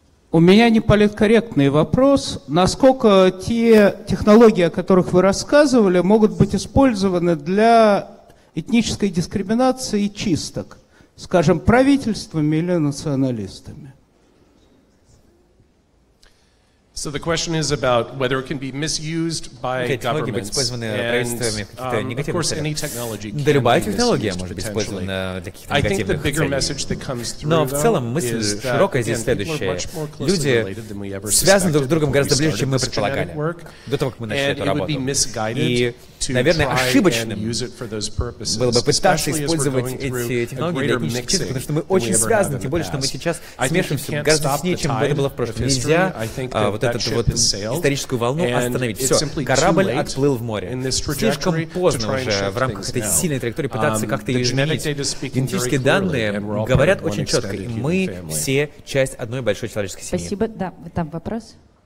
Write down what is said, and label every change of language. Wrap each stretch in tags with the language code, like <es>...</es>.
<ru>У меня неполиткорректный вопрос. Насколько те технологии, о которых вы рассказывали, могут быть использованы для этнической дискриминации и чисток, скажем, правительствами или националистами?</ru> <en>So the question is about whether it can be misused by governments. And of course, any technology can be misused potentially. I think the bigger message that comes through though, is that people are much more closely related than we ever suspected before we started this genetic work. And it would be misguided to try and use it for those purposes, especially as we're going through a greater mixing than we ever had in the past. I think you can't stop the tide of history. I think that</en> <ru>эту вот историческую волну остановить. Все, корабль отплыл в море. Слишком поздно уже в рамках этой сильной траектории пытаться как-то ее изменить. Генетические данные говорят очень четко, и мы все часть одной большой человеческой семьи. Спасибо. Да, там вопрос.</ru>